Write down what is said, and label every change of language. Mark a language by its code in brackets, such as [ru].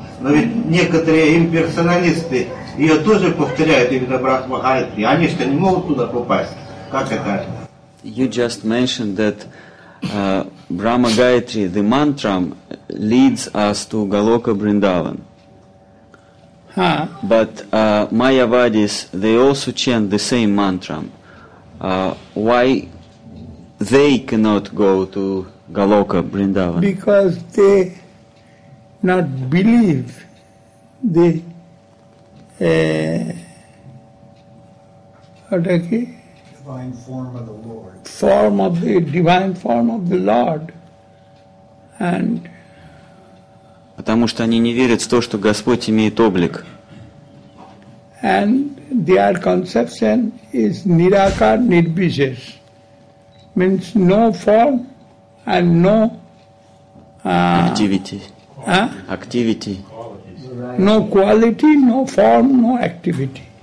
[ru] Но ведь некоторые имперсоналисты ее тоже повторяют, именно Брахма-гаятри. Они что, не могут туда попасть? Как это? [en] You just mentioned that Brahma-gayatri, the mantra, leads us to Galoka Vrindavan. But Mayavadis, they also chant the same mantra. Why they cannot go to Galoka Vrindavan? Because they not believe the divine form of the Lord. Form of the divine form of the Lord. And [ru] потому что они не верят в то, что Господь имеет облик. [en] And their conception is nirakar nirvishesh, means no form and no activity. Activity. No quality, no form, no activity.